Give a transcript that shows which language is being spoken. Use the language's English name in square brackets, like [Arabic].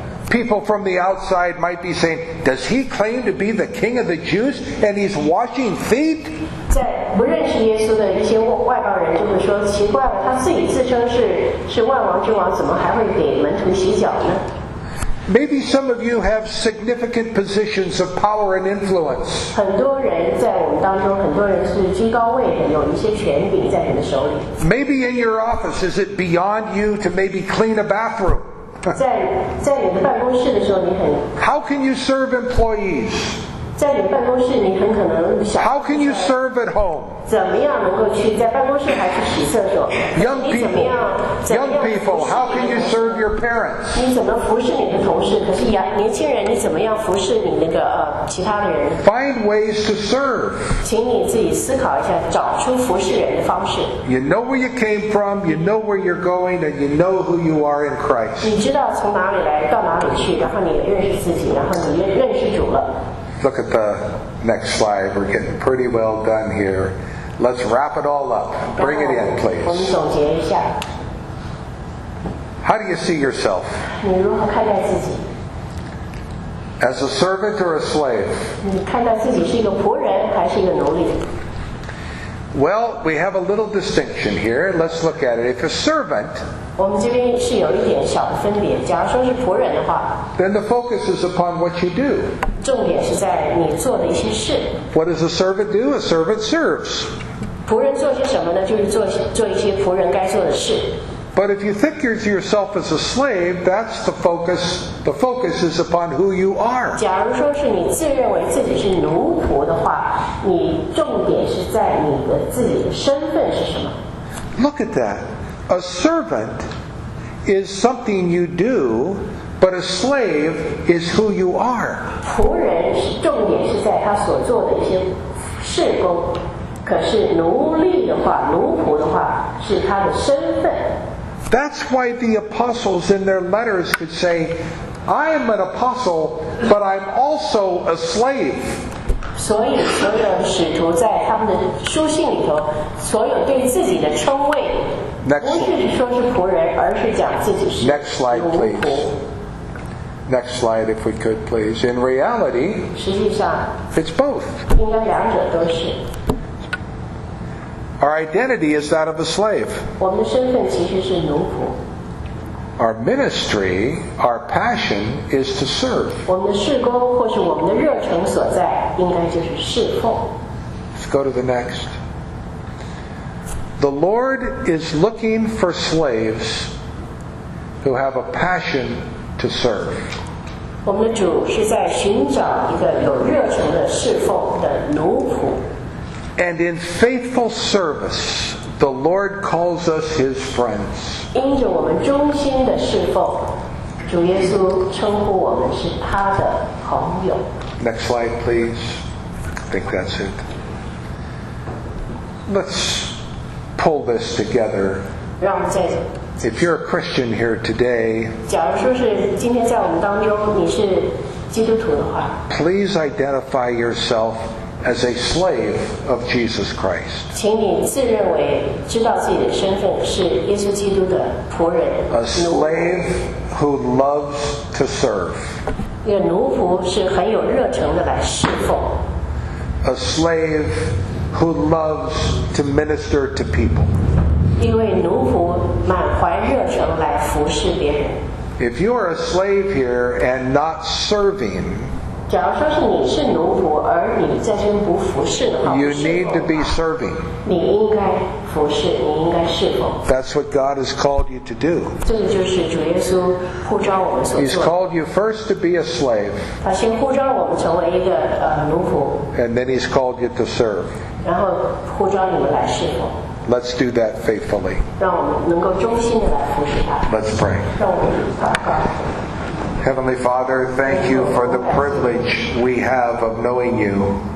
[English] People from the outside might be saying, does he claim to be the king of the Jews and he's washing feet? [Chinese] 不认识耶稣的一些外邦人就会说奇怪了，他自己自称是万王之王，怎么还会给门徒洗脚呢？ [English] Maybe some of you have significant positions of power and influence. [Chinese] 很多人在我们当中，很多人是居高位的，有一些权柄在你的手里。 [English] Maybe in your office, is it beyond you to maybe clean a bathroom? [Chinese] 在你的办公室的时候，你很。 [English] How can you serve employees? [Chinese] 在你办公室，你很可能。 [English] How can you serve at home? [Chinese] 怎么样能够去在办公室还去洗厕所？ [English] Young people. Young people, how can you serve your parents? [Chinese] 你怎么服侍你的同事？可是年轻人，你怎么样服侍你那个其他的人？ [English] Find ways to serve. [Chinese] 请你自己思考一下，找出服侍人的方式。 [English] You know where you came from, you know where you're going, and you know who you are in Christ. [Chinese] 你知道从哪里来到哪里去，然后你认识自己，然后你认识主了。 [English] Look at the next slide. We're getting pretty well done here. Let's wrap it all up. Bring it in, please. [Chinese] 我们总结一下。 [English] How do you see yourself? [Chinese] 你如何看待自己？ [English] As a servant or a slave? [Chinese] 你看待自己是一个仆人还是一个奴隶？ [English] Well, we have a little distinction here. Let's look at it. If a servant, [Chinese] 我们这边是有一点小的分别。假如说是仆人的话， [English] then the focus is upon what you do. [Chinese] 重点是在你做的一些事。 [English] What does a servant do? A servant serves. [Chinese] 仆人做些什么呢？就是做一些仆人该做的事。 [English] But if you think of yourself as a slave, that's the focus. The focus is upon who you are. [Chinese] 假如说是你自认为自己是奴仆的话，你重点是在你的自己的身份是什么。 [English] Look at that. A servant is something you do, but a slave is who you are. [Chinese] 仆人是重点是在他所做的一些事工，可是奴隶的话，奴仆的话是他的身份。 [English] That's why the apostles in their letters could say, I am an apostle, but I'm also a slave. [Chinese] 所以所有的使徒在他们的书信里头，所有对自己的称谓，不是说是仆人，而是讲自己是奴仆。 [English] Next slide, please. Next slide, if we could, please. In reality, [Chinese] 实际上 [English] it's both. [Chinese] 应该两者都是。 [English] Our identity is that of a slave. [Chinese] 我们的身份其实是奴仆。 [English] Our ministry, our passion is to serve. [Chinese] 我们的事工或是我们的热忱所在，应该就是侍奉。 [English] Let's go to the next. The Lord is looking for slaves who have a passion to serve. [Chinese] 我们的主是在寻找一个有热忱的侍奉的奴仆。 [English] And in faithful service, the Lord calls us His friends. [Chinese] 因着我们忠心的侍奉，主耶稣称呼我们是他的朋友。 [English] Next slide, please. I think that's it. Let's pull this together. [Chinese] 让我们再。 [English] If you're a Christian here today, [Chinese] 假如说是今天在我们当中你是基督徒的话， [English] please identify yourself. As a slave of Jesus Christ. [Chinese] 请你自认为知道自己的身份是耶稣基督的仆人。 [English] A slave who loves to serve. [Chinese] 一个奴仆是很有热忱的来侍奉。 [English] A slave who loves to minister to people. [Chinese] 一位奴仆满怀热忱来服侍别人。 [English] If you are a slave here and not serving, [Chinese] 假如说是你是奴仆，而你在这边不服侍的话， [English] you need to be serving. [Chinese] 你应该服侍，你应该侍奉。 [English] That's what God has called you to do. [Chinese] 这就是主耶稣呼召我们所做的。 [English] He's called you first to be a slave. [Chinese] 他先呼召我们成为一个奴仆。 [English] And then He's called you to serve. [Chinese] 然后呼召你们来侍奉。 [English] Let's do that faithfully. [Chinese] 让我们能够忠心的来服侍他。 [English] Let's pray. [Chinese] 让我们祷告。 [English] Heavenly Father, thank you for the privilege we have of knowing you.